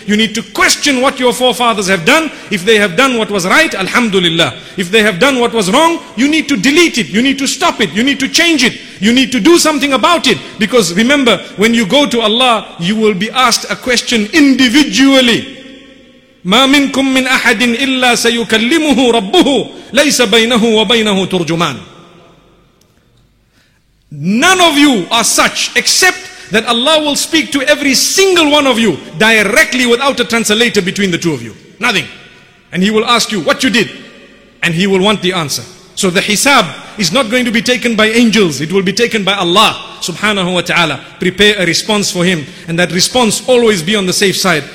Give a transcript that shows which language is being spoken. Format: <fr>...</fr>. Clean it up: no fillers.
<en>You need to question what your forefathers have done. If they have done what was right, alhamdulillah. If they have done what was wrong, you need to delete it, you need to stop it, you need to change it, you need to do something about it. Because remember, when you go to Allah, you will be asked a question individually.</en> <ar>مَا مِنْكُمْ مِنْ أَحَدٍ إِلَّا سَيُكَلِّمُهُ رَبُّهُ لَيْسَ بَيْنَهُ وَبَيْنَهُ تُرْجُمَانُ.</ar> <en>None of you are such except that Allah will speak to every single one of you directly without a translator between the two of you. Nothing. And He will ask you what you did, and He will want the answer. So the hisab is not going to be taken by angels, it will be taken by Allah subhanahu wa ta'ala. Prepare a response for Him, and that response always be on the safe side.</en>